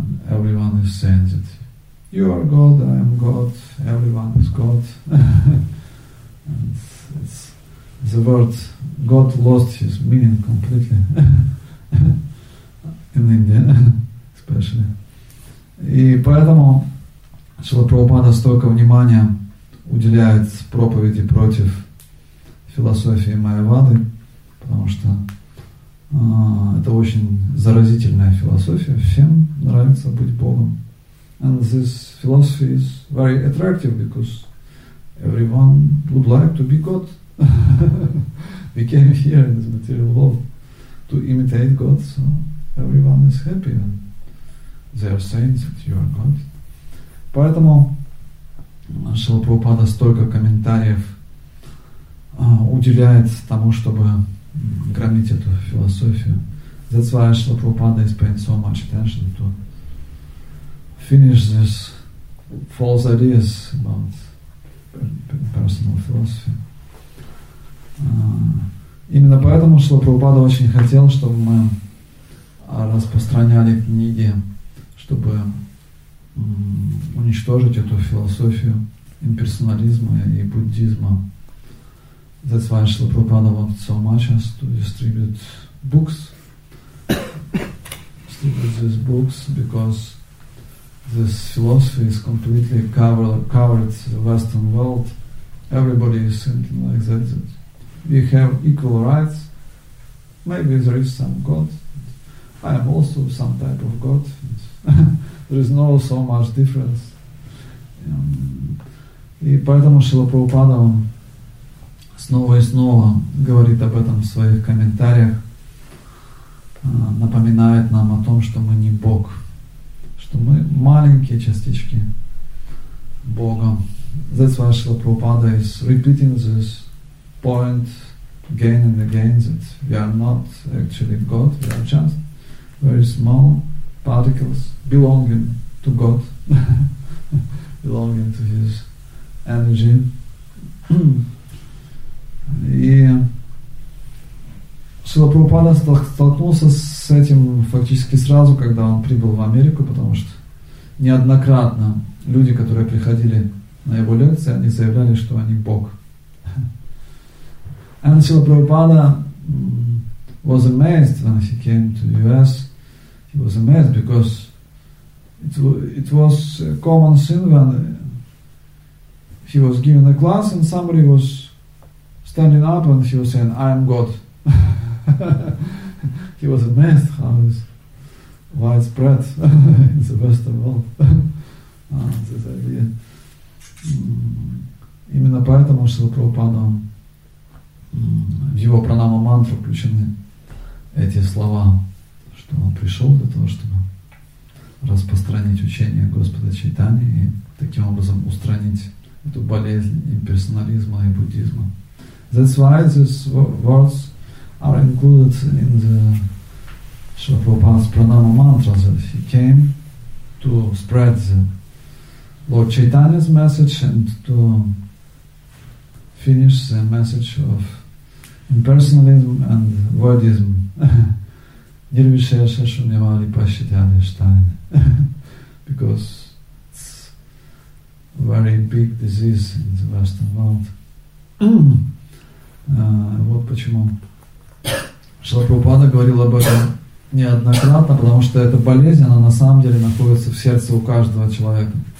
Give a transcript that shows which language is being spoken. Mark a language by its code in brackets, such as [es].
[en] Everyone is saying that you are God, I am God, everyone is God. And it's, the word God lost his meaning completely in India, especially. [ru] И поэтому Шрила Прабхупада столько внимания уделяет проповеди против философии Майявады, потому что это очень заразительная философия. Всем нравится быть Богом. [en] And this philosophy is very attractive because everyone would like to be God. We came here in this material world to imitate God, so everyone is happy. They are saying that you are God. [ru] Поэтому Шрила Прабхупада столько комментариев уделяет тому, чтобы громить эту философию. [en] That's why Шрила Прабхупада is paying so much attention to finish this false ideas about personal philosophy. [ru] Именно поэтому Шрила Прабхупада очень хотел, чтобы мы распространяли книги, чтобы уничтожить эту философию имперсонализма и буддизма. [en] That's why Шрила Прабхупада wanted so much as to distribute these books, because this philosophy is completely covered the Western world. Everybody is thinking like that, that we have equal rights. Maybe there is some God. I am also some type of God. There is no so much difference. [ru] И поэтому Шрила Прабхупада снова и снова говорит об этом в своих комментариях, напоминает нам о том, что мы не Бог, что мы маленькие частички Бога. [en] That's why Шрила Прабхупада is repeating this point again and again, that we are not actually God, we are just very small particles belonging to God, belonging to His energy. [ru] И Шрила Прабхупада столкнулся с этим фактически сразу, когда он прибыл в Америку, потому что неоднократно люди, которые приходили на его лекции, они заявляли, что они Бог. [en] And Шрила Прабхупада was amazed when he came to the US. He was amazed because it was a common thing when he was given a class and somebody was standing up and he was saying, I am God. He was amazed how it's widespread in the Western world. This idea. [ru] Именно поэтому Шрила Прабхупада в его пранама-мантру включены эти слова, что он пришел для того, чтобы распространить учение Господа Чайтани и таким образом устранить эту болезнь имперсонализма и буддизма. [en] That's why these words are included in the Шрила Прабхупада's pranama mantra, that he came to spread the Lord Chaitanya's message and to finish the message of impersonalism and voidism. [sa] Nirvishesha shunyavadi paschitani shtani. [en] Because it's a very big disease in the Western world. [ru] Вот почему Шрила Прабхупада говорил об этом неоднократно, потому что эта болезнь, она на самом деле находится в сердце у каждого человека.